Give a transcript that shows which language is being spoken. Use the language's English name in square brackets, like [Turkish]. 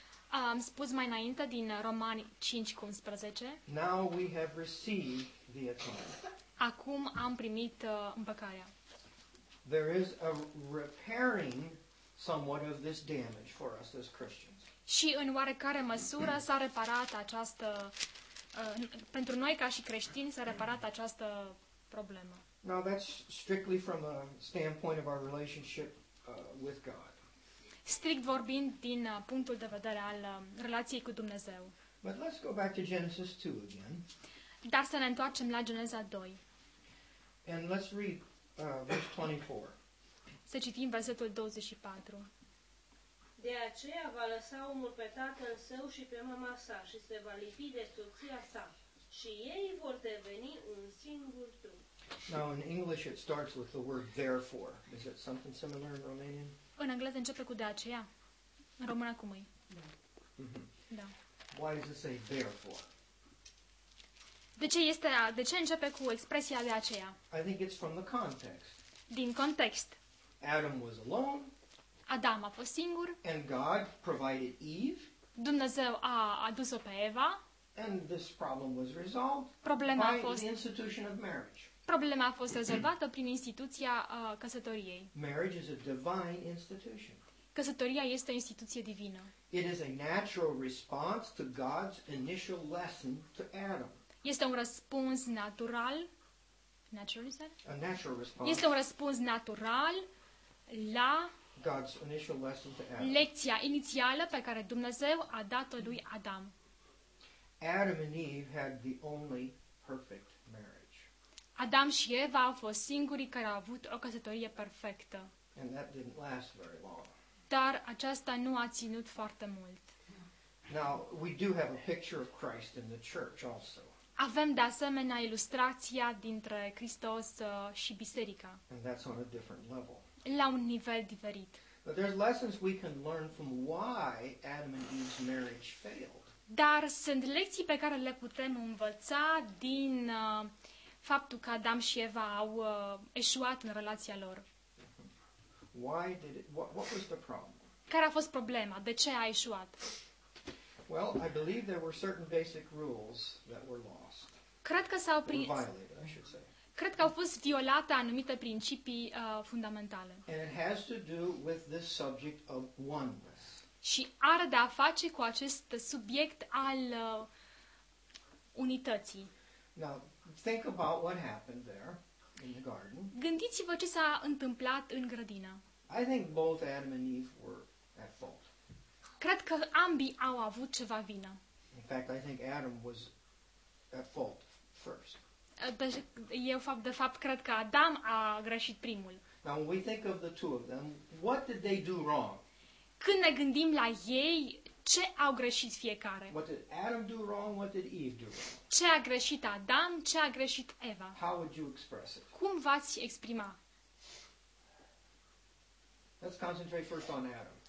[Romanian] Am spus mai înainte din Romani 5:11. [English] Now we have received the atonement. [Romanian] Acum am primit împăcarea. [English] There is a repairing somewhat of this damage for us as Christians. [Romanian] Și în oarecare măsură s-a reparat această pentru noi ca și creștini s-a reparat această problemă. [English] Now that's strictly from a standpoint of our relationship with God. [Romanian] Strict vorbind din punctul de vedere al relației cu Dumnezeu. [English] But let's go back to Genesis 2 again. [Romanian] Dar să ne întoarcem la Geneza 2. [English] And let's read verse 24. [Romanian] Să citim versetul 24. De aceea va lăsa omul pe tatăl său și pe mama sa și se va lipi de soția sa și ei vor deveni un singur trup. [English] Now in English it starts with the word therefore. Is it something similar in Romanian? [Romanian] În engleză începe cu de aceea. În română cum e? Da. Mm-hmm. Da. [English] Why does it say therefore? [Romanian] De ce începe cu expresia de aceea? [English] I think it's from the context. [Romanian] Din context. [English] Adam was alone. [Romanian] Adam a fost singur. [English] And God provided Eve. [Romanian] Dumnezeu a adus-o pe Eva. [English] And this problem was resolved by the institution of marriage. [Romanian] Problema a fost rezolvată prin instituția căsătoriei. [English] Marriage is a divine institution. [Romanian] Căsătoria este o instituție divină. [English] It is a natural response to God's initial lesson to Adam. [Romanian] Este un răspuns natural. [English] Natural, is that? A natural response. [Romanian] Este un răspuns natural la [English] God's initial lesson to Adam. [Romanian] Lecția inițială pe care Dumnezeu a dat-o lui Adam. [English] Adam and Eve had the only perfect marriage. [Romanian] Adam și Eva au fost singurii care au avut o căsătorie perfectă. [English] And that didn't last very long. [Romanian] Dar aceasta nu a ținut foarte mult. [English] Now, we do have a picture of Christ in the church also. [Romanian] Avem de asemenea ilustrația dintre Hristos și biserica. [English] And that's on a different level. [Romanian] La un nivel diferit. [English] But there's lessons we can learn from why Adam and Eve's marriage failed. [Romanian] Dar sunt lecții pe care le putem învăța din faptul că Adam și Eva au eșuat în relația lor. [English] Why did it, what was the problem? [Romanian] Care a fost problema? De ce a eșuat? [English] Well, I believe there were certain basic rules that were lost. [Romanian] Cred că s-au prins. [English] Violated, I should say. [Romanian] Cred că au fost violate anumite principii fundamentale. [English] And it has to do with this subject of oneness. [Romanian] Și are de a face cu acest subiect al unității. [English] Now, think about what happened there in the garden. [Romanian] Gândiți-vă ce s-a întâmplat în grădină. [English] I think both Adam and Eve were at fault. [Romanian] Cred că ambii au avut ceva vină. [English] In fact, I think Adam was at fault first. [Romanian] Eu de fapt cred că Adam a greșit primul. [English] Now when we think of the two of them, what did they do wrong? [Romanian] Când ne gândim la ei, ce au greșit fiecare? [English] What did Adam do wrong? What did Eve do wrong? [Romanian] Ce a greșit Adam? Ce a greșit Eva? [English] How would you express it? [Romanian] Cum v-ați exprima? [English] Let's concentrate first on Adam.